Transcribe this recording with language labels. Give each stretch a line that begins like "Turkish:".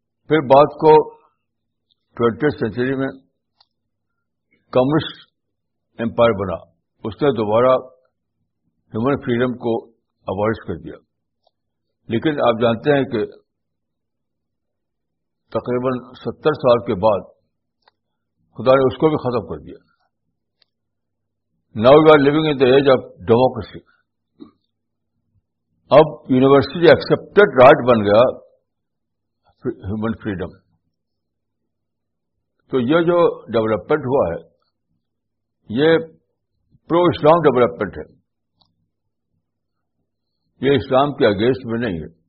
Urdu: پھر بات کو 20th century میں کمسٹ امپائر بنا, اس نے دوبارہ ہیومن فریڈم کو ابالش کر دیا. لیکن آپ جانتے ہیں کہ تقریباً 70 سال کے بعد خدا نے اس کو بھی ختم کر دیا.
English: Now you are living in the age of democracy.
Urdu: اب یونیورسٹی ایکسپٹڈ رائٹ بن گیا ہیومن فریڈم. تو یہ جو ڈیولپمنٹ ہوا ہے یہ پرو اسلام ڈیولپمنٹ ہے, یہ اسلام کے اگینسٹ میں نہیں ہے.